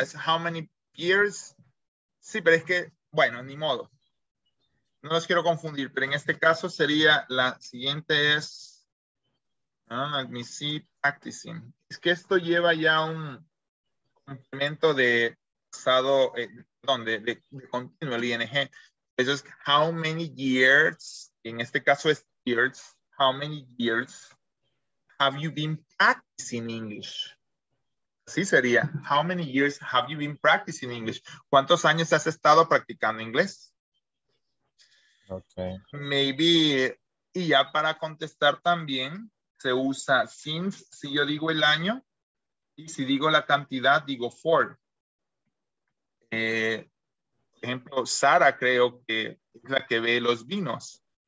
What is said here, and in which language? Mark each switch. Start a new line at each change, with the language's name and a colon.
Spanish: Es
English: how many years?
Spanish: Sí, pero es que, bueno, ni modo. No los quiero confundir, pero en este caso sería la siguiente es
English: let me see practicing.
Spanish: Es que esto lleva ya un complemento de pasado, ¿dónde? De continuo, el ING. Eso es
English: how many years,
Spanish: en este caso es
English: years, how many years have you been practicing English?
Spanish: Así sería.
English: How many years have you been practicing English?
Spanish: ¿Cuántos años has estado practicando inglés?
English: Okay. Maybe,
Spanish: y ya para contestar también, se usa since, si yo digo el año, y si digo la cantidad, digo for. Por ejemplo, Sara creo que es la que ve los vinos.